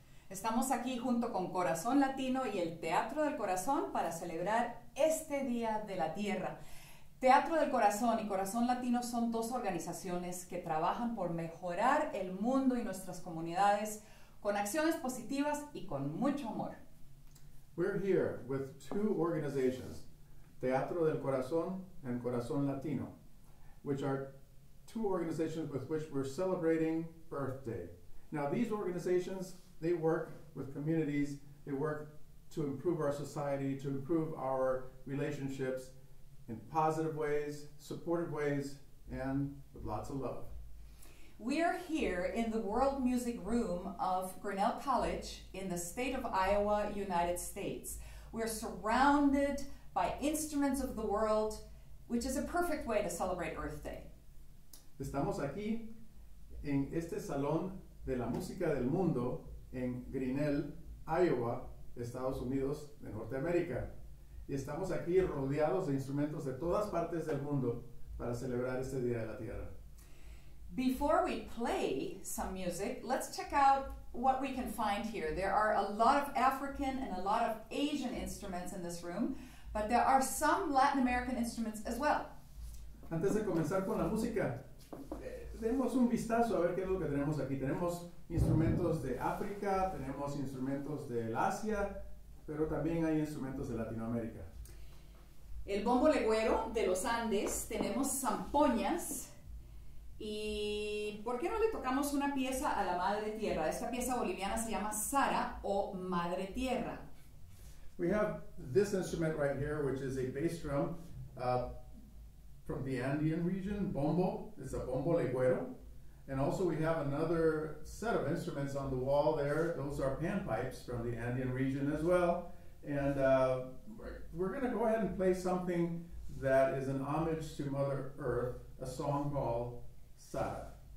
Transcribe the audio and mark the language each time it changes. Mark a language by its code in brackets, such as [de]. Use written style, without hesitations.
[es] Estamos aquí junto con Corazón Latino y el Teatro del Corazón para celebrar este Día de la Tierra. Teatro del Corazón y Corazón Latino son dos organizaciones que trabajan por mejorar el mundo y nuestras comunidades con acciones positivas y con mucho amor. [en] We're here with two organizations, Teatro del Corazón and Corazón Latino, which are two organizations with which we're celebrating Earth Day. Now, these organizations, they work with communities, they work to improve our society, to improve our relationships in positive ways, supportive ways, and with lots of love. We are here in the World Music Room of Grinnell College in the state of Iowa, United States. We're surrounded by instruments of the world, which is a perfect way to celebrate Earth Day. [es] Estamos aquí en este Salón de la Música del Mundo en Grinnell, Iowa, Estados Unidos de Norteamérica. Y estamos aquí rodeados de instrumentos de todas partes del mundo para celebrar este Día de la Tierra. [en] Before we play some music, let's check out what we can find here. There are a lot of African and a lot of Asian instruments in this room, but there are some Latin American instruments as well. [es] Antes de comenzar con la música, demos un vistazo a ver qué es lo que tenemos aquí. Tenemos instrumentos de África, tenemos instrumentos del Asia, pero también hay instrumentos de Latinoamérica. El bombo legüero de los Andes, tenemos zampoñas. ¿Y por qué no le tocamos una pieza a la Madre Tierra? Esta pieza boliviana se llama Sara o Madre Tierra. [en] We have this instrument right here, which is a bass drum from the Andean region, bombo. It's a bombo legüero. And also we have another set of instruments on the wall there. Those are panpipes from the Andean region as well. And we're going to go ahead and play something that is an homage to Mother Earth, a song called Sara.